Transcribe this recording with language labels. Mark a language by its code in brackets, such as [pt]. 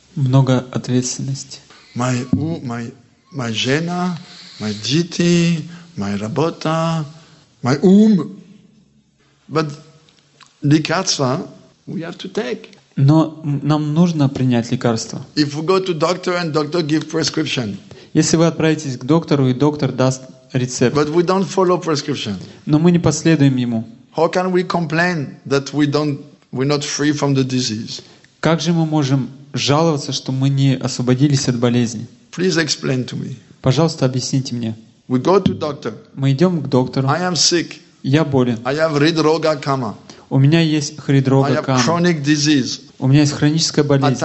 [ru] Много ответственности. Моя жена, мои дети, моя работа, мой ум. [en] But [ru] лекарства, [en] we have to take. [ru] Но нам нужно принять лекарство. [en] If we go to doctor and doctor give prescription. [ru] Если вы отправитесь к доктору и доктор даст рецепт. [en] But we don't follow prescription. [ru] Но мы не последуем ему. [en] How can we complain that we're not free from the disease? [ru] Как же мы можем жаловаться, что мы не освободились от болезни? [en] Please explain to me. [ru] Пожалуйста, объясните мне. [en] We go to doctor. [ru] Мы идем к доктору. [en] I am sick. [ru] Я болен. [en] I have Hridroga Kama. [ru] У меня есть Hridroga Kama. У меня есть хроническая болезнь.